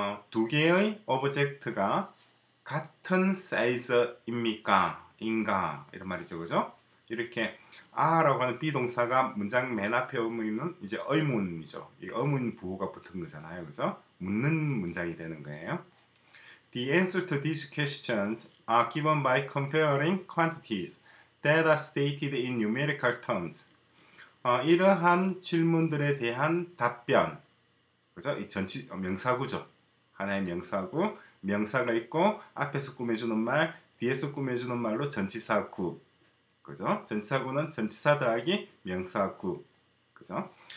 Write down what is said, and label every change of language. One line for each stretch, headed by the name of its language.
Korean: 두 개의 오브젝트가 같은 사이즈입니까? 인가? 이런 말이죠. 그죠? 이렇게 are라고 하는 be 동사가 문장 맨 앞에 있는 이제 의문이죠. 이 의문 부호가 붙은 거잖아요. 그죠? 묻는 문장이 되는 거예요.
English: The answer to these questions are given by comparing quantities that are stated in numerical terms.
Korean: 이러한 질문들에 대한 답변, 그죠? 이 전치 명사구죠. 하나의 명사구, 명사가 있고 앞에서 꾸며주는 말, 뒤에서 꾸며주는 말로 전치사구, 그죠? 전치사구는 전치사 더하기 명사구, 그죠?